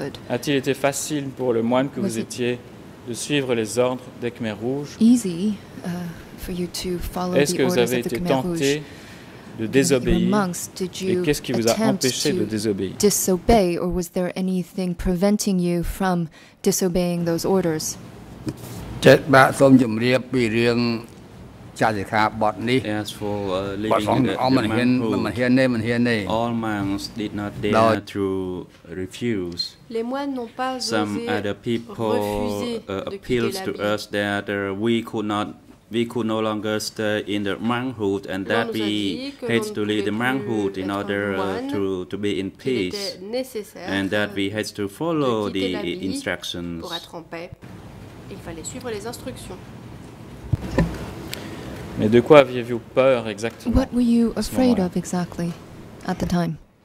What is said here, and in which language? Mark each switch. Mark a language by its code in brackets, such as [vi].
[fr] a-t-il été facile pour le moine que vous étiez de suivre les ordres des Khmer Rouges? [en] Easy for you to follow [fr] Est-ce que vous avez été tenté de désobéir, et qu'est-ce qui vous a empêché de désobéir? [en] Disobey, or was there anything preventing you from disobeying those orders? As for leaving the monk, all monks did not dare to refuse. [fr] Les moines n'ont pas osé refuser de quitter l'habit. [en] Some other people appealed to us that we could no longer stay in the monkhood and that we had to leave the monkhood in order to be in peace and that we had to follow the instructions. [fr] Pour être en paix, il fallait suivre les instructions. Mais de quoi aviez-vous peur exactement? [en] What were you afraid of exactly at the time?